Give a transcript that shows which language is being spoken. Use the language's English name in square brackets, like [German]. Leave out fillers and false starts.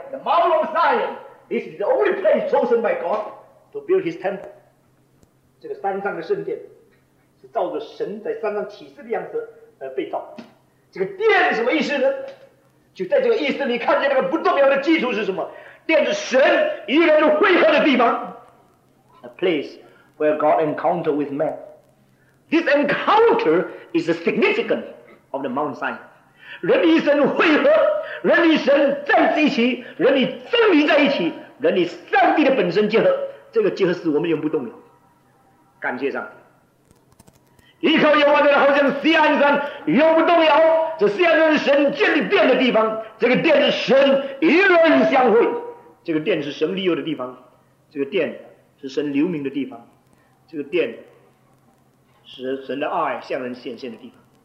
[English] The Mount of Zion, this is the only place chosen by GodTo build his temple, [Chinese] 这个山上的圣殿是照着神在山上启示的样子而被造。这个殿什么意思呢？就在这个意思，你看见那个不重要的基础是什么？殿是神与人会合的地方。 [English] A place where God encounter with man. This encounter is the significance of the Mount Sinai. [Chinese] 人与神会合，人与神站在一起，人与真理在一起，人与上帝的本身结合。这个结合使我们永不动摇，感谢上帝。依靠耶和华的人好像锡安山永不动摇，这锡安山是神建立殿的地方，这个殿是神与人相会，这个殿是神立约的地方，这个殿是神留名的地方，这个殿是神的爱向人显现的地方。